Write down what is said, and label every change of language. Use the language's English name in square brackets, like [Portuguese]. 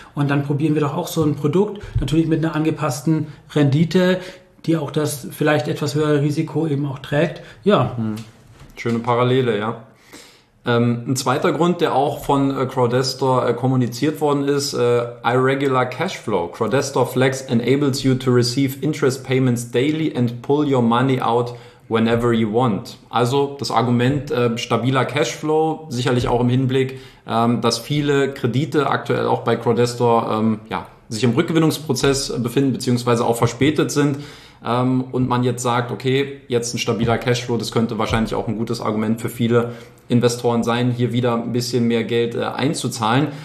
[German] Und dann probieren wir doch auch so ein Produkt, natürlich mit einer angepassten Rendite, die auch das vielleicht etwas höhere Risiko eben auch trägt. Ja. Schöne Parallele, ja. Ein zweiter Grund, der auch von Quadesto kommuniziert worden ist, Irregular Cashflow. [English] Quadesto Flex enables you to receive interest payments daily and pull your money out whenever you want. [German] Also das Argument stabiler Cashflow, sicherlich auch im Hinblick, dass viele Kredite aktuell auch bei Quadesto sich im Rückgewinnungsprozess befinden beziehungsweise auch verspätet sind und man jetzt sagt, okay, jetzt ein stabiler Cashflow, das könnte wahrscheinlich auch ein gutes Argument für viele Investoren sein, hier wieder ein bisschen mehr Geld einzuzahlen.